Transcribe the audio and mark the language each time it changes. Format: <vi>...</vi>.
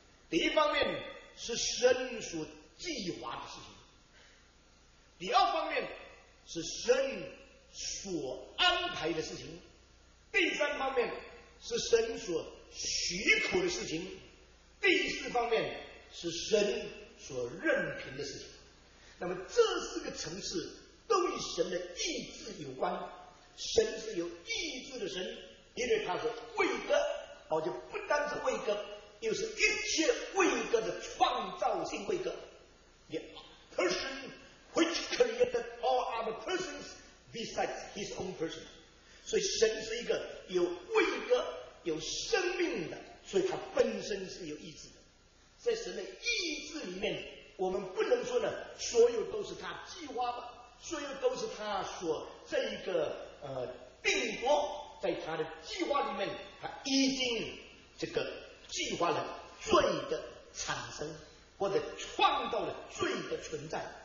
<zh>第一方面是神所计划的事情，第二方面是神所安排的事情，第三方面是神所许可的事情，第四方面是神所任凭的事情。那么这四个层次神的意志有关。神是有意志的神，因为他是位格，而且不单是位格，又是一切位格的创造性位格。</zh> <en>Person which created all other persons besides his own person.</en> <zh>所以神是一个有位格、有生命的，所以他本身是有意志的。在神的意志里面，我们不能说呢，所有都是他计划的，所有都是他所这一个定夺，在他的计划里面，他已经这个计划了罪的产生，或者创造了罪的存在。</zh>